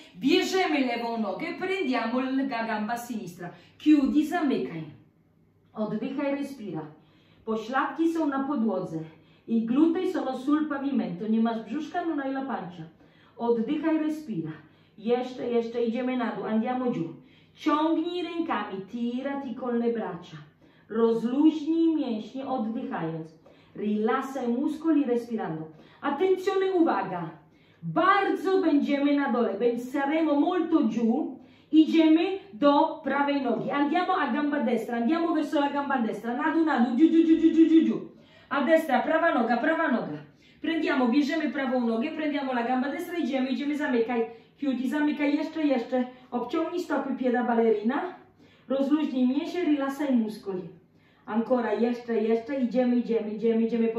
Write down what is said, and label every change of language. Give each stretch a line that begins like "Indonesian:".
Polish: Bierzemy lewą nogę,
Italian: prendiamo la gamba sinistra. Chiudi,
Polish: zamykaj. Oddychaj,
Italian: respira.
Polish: Pośladki są na podłodze.
Italian: I glutei sono sul pavimento,
Polish: nie masz brzuszka,
Italian: non hai la pancia.
Polish: Oddychaj,
Italian: respira.
Polish: Jeszcze, jeszcze, idziemy na dół,
Italian: andiamo giù.
Polish: Ciągnij rękami,
Italian: tirati con le braccia.
Polish: Rozluźnij mięśnie, oddychając.
Italian: Rilassaj muskoli, respirando. Attenzione,
Polish: uwaga. Bardzo będziemy na dole,
Italian: saremo molto giù.
Polish: Idziemy do prawej nogi.
Italian: Andiamo a gamba destra, andiamo verso la gamba destra.
Polish: Nadu, nadu,
Italian: giù, giù, giù, giù, giù, giù, giù. A destra,
Polish: prawa noga, prawa noga. Prendiamo, bierzemy prawą nogę,
Italian: prendiamo la gamba destra,
Polish: idziemy, idziemy, zamykaj.
Italian: Chiudi,
Polish: zamykaj, jeszcze, jeszcze. Obciągnij stopy,
Italian: pieda balerina.
Polish: Rozluźnij mięśnie,
Italian: rilassaj muskoli. Ancora,
Polish: jeszcze, jeszcze, idziemy, idziemy, idziemy, idziemy.